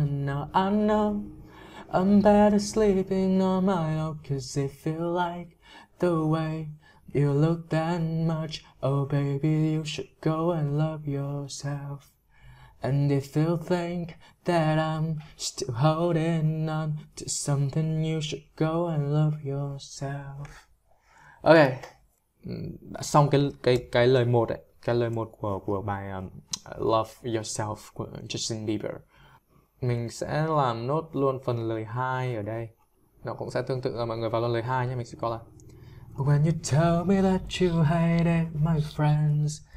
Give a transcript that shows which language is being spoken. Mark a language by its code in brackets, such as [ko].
[en] And now I know I'm better sleeping on my own, cause it feel like the way you look that much. Oh baby, you should go and love yourself. And if you think that I'm still holding on to something, you should go and love yourself. [vi] Ok, đã xong cái lời một ấy, cái lời một của bài Love Yourself của Justin Bieber. Mình sẽ làm nốt luôn phần lời hai ở đây. Nó cũng sẽ tương tự là mọi người vào luôn lời hai nhé, mình sẽ có là [en] When you tell me that you hate it, my friends.